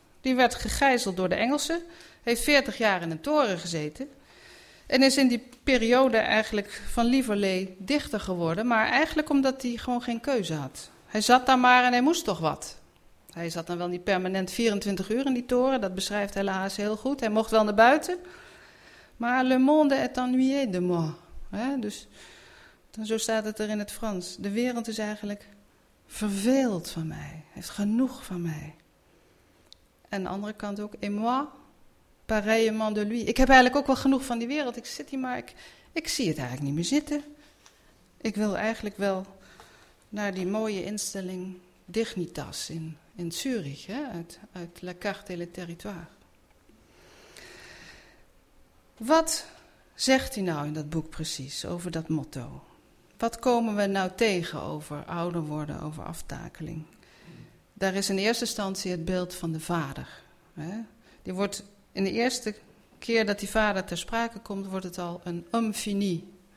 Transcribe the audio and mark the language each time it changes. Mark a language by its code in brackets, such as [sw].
[nl] Die werd gegijzeld door de Engelsen. Heeft 40 jaar in een toren gezeten. En is in die periode eigenlijk van lieverlee dichter geworden. Maar eigenlijk omdat hij gewoon geen keuze had. Hij zat daar maar en hij moest toch wat. Hij zat dan wel niet permanent 24 uur in die toren. Dat beschrijft Helle Haase heel goed. Hij mocht wel naar buiten. Maar [fr] le monde est ennuyé de moi. [nl] Ja, dus zo staat het er in het Frans. De wereld is eigenlijk verveeld van mij. Heeft genoeg van mij. En de andere kant ook. [fr] Et moi, pareillement de lui. [nl] Ik heb eigenlijk ook wel genoeg van die wereld. Ik zit hier maar. Ik zie het eigenlijk niet meer zitten. Ik wil eigenlijk wel naar die mooie instelling Dignitas in Zürich, hè? Uit La Carte et le Territoire. Wat zegt hij nou in dat boek precies over dat motto? Wat komen we nou tegen over ouder worden, over aftakeling? daar is in eerste instantie het beeld van de vader. Hè? Die wordt in de eerste keer dat die vader ter sprake komt, wordt het al een [fr] homme fini.